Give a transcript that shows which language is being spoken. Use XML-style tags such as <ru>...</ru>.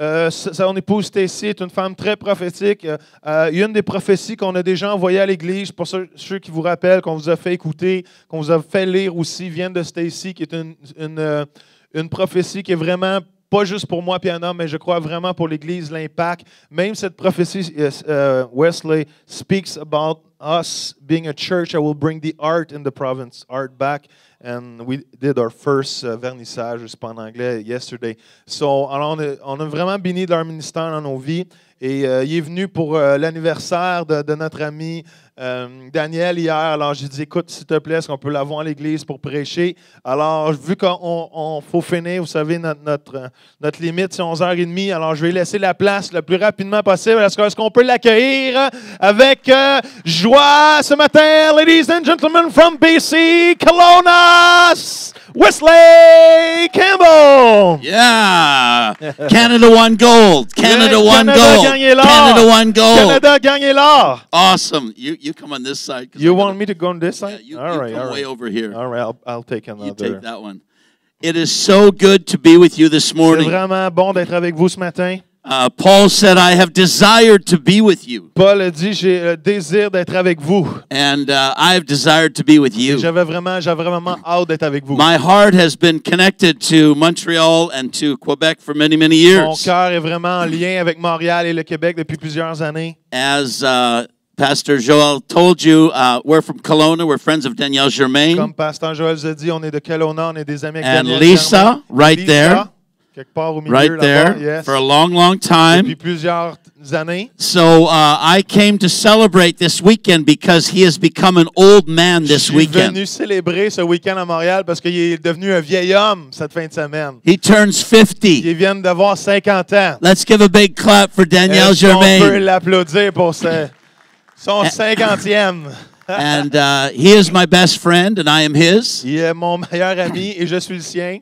<fr>Son épouse Stacy est une femme très prophétique. Une des prophéties qu'on a déjà envoyées à l'Église, pour ceux qui vous rappellent, qu'on vous a fait écouter, qu'on vous a fait lire aussi, vient de Stacy, qui est une prophétie qui est vraiment pas juste pour moi, Piana, mais je crois vraiment pour l'Église, l'impact. Même cette prophétie,</fr> <en>Wesley, speaks about us being a church that will bring the art in the province, art back. And we did our first vernissage,</en> <fr>c'est pas en anglais,</fr> <en>yesterday.</en> <fr>So, on a vraiment béni de leur ministère dans nos vies. Et il est venu pour l'anniversaire de notre ami Daniel hier. Alors, j'ai dit, écoute, s'il te plaît, est-ce qu'on peut l'avoir à l'église pour prêcher? Alors, vu qu'on faut finir, vous savez, notre limite, c'est 11h30. Alors, je vais laisser la place le plus rapidement possible. Est-ce qu'on peut l'accueillir avec joie ce matin?</fr> <en>Ladies and gentlemen from BC, Kelowna, Wesley Cambell! Yeah! Canada won gold! Canada won gold! Canada won gold!</en> <fr>Canada gagné l'or!</fr> <en>Awesome! You come on this side. You want me to go on this side? Yeah, you come way over here. All right, I'll take another. You take that one. It is so good to be with you this morning.</en> <fr>C'est vraiment bon d'être avec vous ce matin.</fr> <en>Paul said, I have desired to be with you.</en> <fr>Paul a dit, j'ai le désir d'être avec vous.</fr> <en>And I have desired to be with you.</en> <fr>J'avais vraiment hâte d'être avec vous.</fr> <en>My heart has been connected to Montreal and to Quebec for many, many years.</en> <fr>Mon cœur est vraiment en lien avec Montréal et le Québec depuis plusieurs années.</fr> <en>As Pastor Joel told you, we're from Kelowna. We're friends of Daniel Germain.</en> <fr>Comme Pastor Joel vous a dit, on est de Kelowna, on est des amis avec</fr> <en>and Daniel Lisa, Germain. Right Lisa. There. Part au right there, yes. For a long, long time.</en> <fr>Depuis plusieurs années.</fr> <en>So I came to celebrate this weekend because he has become an old man this weekend.</en> <fr>Je suis venu célébrer ce week-end à Montréal parce qu'il est devenu un vieil homme cette fin de semaine.</fr> <en>He turns 50.</en> <fr>Il vient d'avoir 50 ans.</fr> <en>Let's give a big clap for Daniel Germain.</en> <fr>On peut l'applaudir pour son 50e.</fr> <en>And he is my best friend, and I am his.</en> <fr>Il est mon meilleur ami, et je suis le sien.</fr>